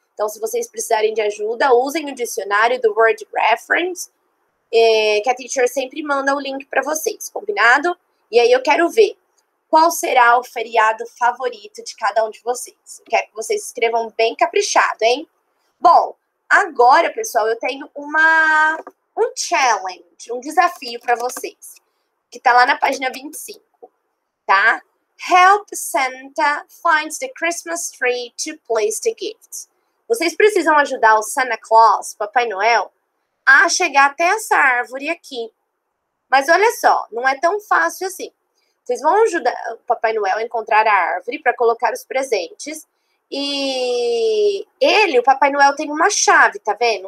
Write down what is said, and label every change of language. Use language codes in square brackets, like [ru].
[pt] Então, se vocês precisarem de ajuda, usem o dicionário do Word Reference, que a teacher sempre manda o link para vocês, combinado? E aí eu quero ver. Qual será o feriado favorito de cada um de vocês? Quero que vocês escrevam bem caprichado, hein? Bom, agora, pessoal, eu tenho um challenge, um desafio para vocês. Que tá lá na página 25, tá? [en] Help Santa find the Christmas tree to place the gifts. [pt] Vocês precisam ajudar o Santa Claus, Papai Noel, a chegar até essa árvore aqui. Mas olha só, não é tão fácil assim. Vocês vão ajudar o Papai Noel a encontrar a árvore para colocar os presentes. E ele, o Papai Noel, tem uma chave, tá vendo?